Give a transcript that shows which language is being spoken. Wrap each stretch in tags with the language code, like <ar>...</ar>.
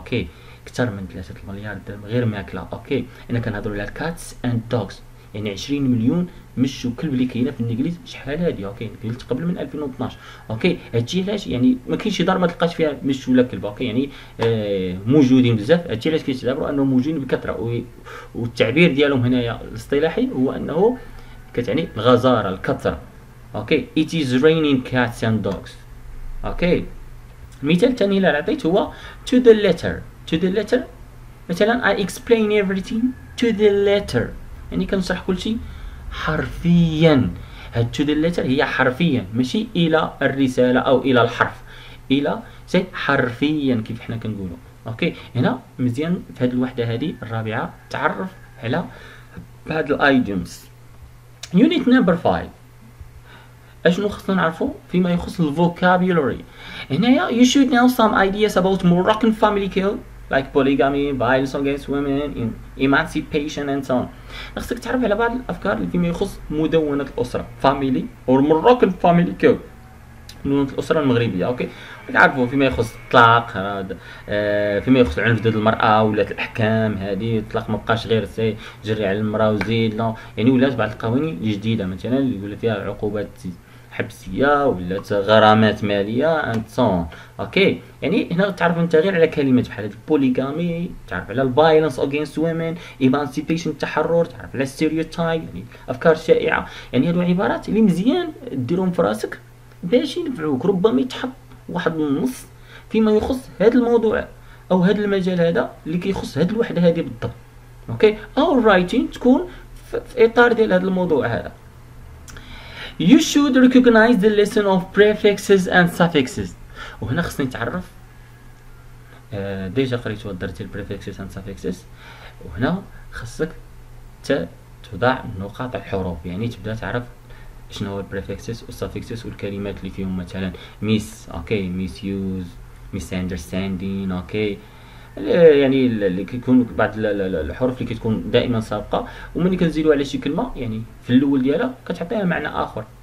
<ar>اوكي اكثر من 3 مليار درهم غير ماكله. اوكي انا كنهضروا على</ar> <en>cats and dogs</en> <ar>يعني 20 مليون مشو كلب اللي كاينه في الانجليز شحال هادي. اوكي قلت قبل من 2012. اوكي هادشي علاش يعني ما كاينش دار ما تلقاش فيها مشو ولا كلب. اوكي يعني موجودين بزاف. هادشي علاش كيتعتبروا انهم موجودين بكثره, والتعبير ديالهم هنايا الاصطلاحي هو انه كتعني الغزاره الكثره.</ar> <en>Okay it is raining cats and dogs.</en> <ar>اوكي مثال ثاني اللي عطيت هو</ar> <en>to the letter. To the letter مثلا I explain everything to the letter</en> <ar>يعني كنشرح كل شيء حرفيا. هاد to the letter هي حرفيا ماشي الى الرسالة او الى الحرف, الى شيء حرفيا كيف احنا كنقوله. اوكي هنا مزيان في هاد الوحدة هادي الرابعة تعرف على بعض الايديومز. يونيت نمبر 5 اشنو خصنا نعرفه فيما يخص الفوكابولري.</ar> <en>هنا you should know some ideas about Moroccan family care like polygamy, violence against women, emancipation and so on.</en> <ar>خصك تعرف على بعض الافكار اللي فيما يخص مدونة الاسرة</ar> <en>family or Moroccan family care,</en> <ar>مدونة الاسرة المغربية. اوكي تعرفوا فيما يخص الطلاق, فيما يخص العنف ضد المرأة, ولات الاحكام هذه الطلاق ما بقاش غير سي جري على المرأة وزيد, يعني ولات بعض القوانين الجديدة مثلا اللي يقول فيها عقوبات حبسيه ولا غرامات ماليه</ar> <en>And so on.</en> <ar>اوكي، يعني هنا تعرف انت غير على كلمات بحال البوليغامي، تعرف على الفايلنس اغينست وومن، ايمانسيبيشن التحرر، تعرف على ستيريوتايب، يعني افكار شائعه. يعني هادو عبارات اللي مزيان ديرهم في راسك باش ينفعوك، ربما يتحط واحد النص فيما يخص هذا الموضوع او هذا المجال هذا اللي كيخص هذه الوحده هذه بالضبط. اوكي، او الرايتين تكون في اطار ديال هذا الموضوع هذا.</ar> <en>You should recognize the lesson of prefixes and suffixes.</en> <ar>وهنا خصني نتعرف ديجا قريت درت prefixes and suffixes، وهنا خصك تضع نقاط الحروف، يعني تبدا تعرف شنو هو prefixes و suffixes والكلمات اللي فيهم، مثلا miss، okay، misuse، misunderstanding، okay، يعني اللي كيكون بعض الحروف اللي كتكون دائما سابقه، وملي كنزيدوا على شي كلمه يعني في الاول ديالها كتعطيها معنى اخر.</ar>